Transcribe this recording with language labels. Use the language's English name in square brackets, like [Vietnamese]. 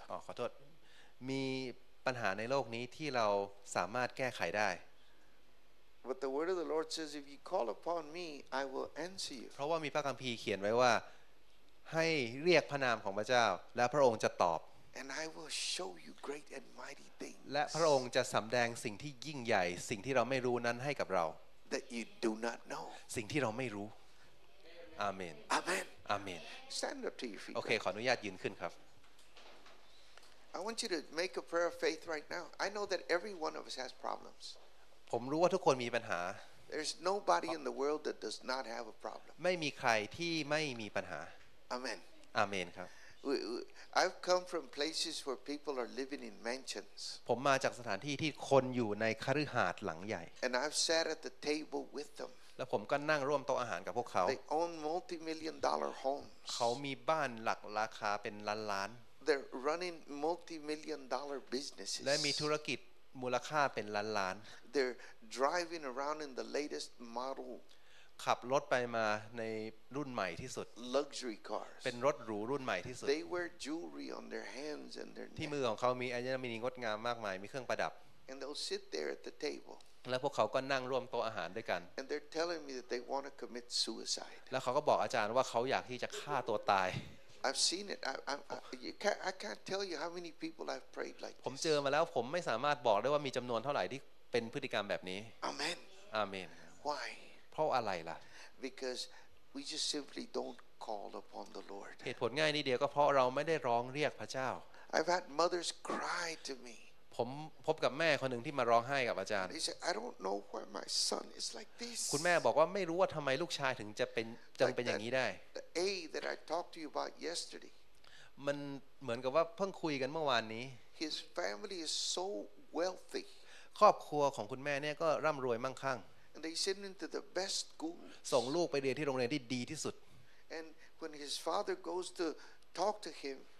[Thai] อ๋อขอโทษมีปัญหาในโลกนี้ที่เราสามารถแก้ไขได้ [English] But the word of the Lord says, "If you call upon me, I will answer you." [Thai] เพราะว่ามีพระคัมภีร์เขียนไว้ว่าให้เรียกพระนามของพระเจ้าและพระองค์จะตอบ [English] And I will show you great and mighty things. [Thai] และพระองค์จะสำแดงสิ่งที่ยิ่งใหญ่สิ่งที่เราไม่รู้นั้นให้กับเรา [English] That you do not know. [Thai] สิ่งที่เราไม่รู้ Amen. [English] Amen. Amen. Stand up to your feet. [Thai] Okay, ขออนุญาตยืนขึ้นครับ [English] I want you to make a prayer of faith right now. I know that every one of us has problems. [Thai] ผมรู้ว่าทุกคนมีปัญหา [English] There's nobody in the world that does not have a problem. [Thai] ไม่มีใครที่ไม่มีปัญหา [English] Amen. [Thai] Amen ครับ [English] I've come from places where people are living in mansions. [Thai] ผมมาจากสถานที่ที่คนอยู่ในคฤหาสน์หลังใหญ่ [English] And I've sat at the table with them. [Thai] แล้วผมก็นั่งร่วมโต๊ะอาหารกับพวกเขา [English] They own multi-million dollar homes. [Thai] เขามีบ้านหลักราคาเป็นล้าน [English] ๆ They're running multi-million dollar businesses. [Thai] และมีธุรกิจมูลค่าเป็นล้าน [English] ๆ They're driving around in the latest model [Thai] ขับรถไปมาในรุ่นใหม่ที่สุด [English] luxury cars [Thai] เป็นรถหรูรุ่นใหม่ที่สุด [English] They wear jewelry on their hands and their [Thai] ที่มือของเขามีอัญมณีงดงามมากมายมีเครื่องประดับ [English] And they'll sit there at the table [Thai] แล้วพวกเขาก็นั่งร่วมโต๊ะอาหารด้วยกัน [English] And they're telling me that they want to commit suicide [Thai] แล้วเขาก็บอกอาจารย์ว่าเขาอยากที่จะฆ่าตัวตาย [English] I've seen it. I can't tell you how many people I've prayed like this. [Thai] ผมเจอมาแล้วผมไม่สามารถบอกได้ว่ามีจำนวนเท่าไหร่ที่เป็นพฤติกรรมแบบนี้ [English] Amen. Amen. Why? [Thai] เพราะอะไรล่ะ [English] Because we just simply don't call upon the Lord. [Thai] เหตุผลง่ายนิดเดียวก็เพราะเราไม่ได้ร้องเรียกพระเจ้า [English] I've had mothers cry to me. [Thai] ผมพบกับแม่คนหนึ่งที่มาร้องไห้กับอาจารย์ [English] I don't know why my son is like this. [Thai] คุณแม่บอกว่าไม่รู้ว่าทำไมลูกชายถึงจะเป็นอย่างนี้ได้ [English] A that I talked to you about yesterday. [Thai] มันเหมือนกับว่าเพิ่งคุยกันเมื่อวานนี้ [English] His family is so wealthy. [Thai] ครอบครัวของคุณแม่เนี่ยก็ร่ำรวยมั่งคั่ง [English] And they send him to the best school. [Thai] ส่งลูกไปเรียนที่โรงเรียนที่ดีที่สุด [English] And when his father goes to talk to him.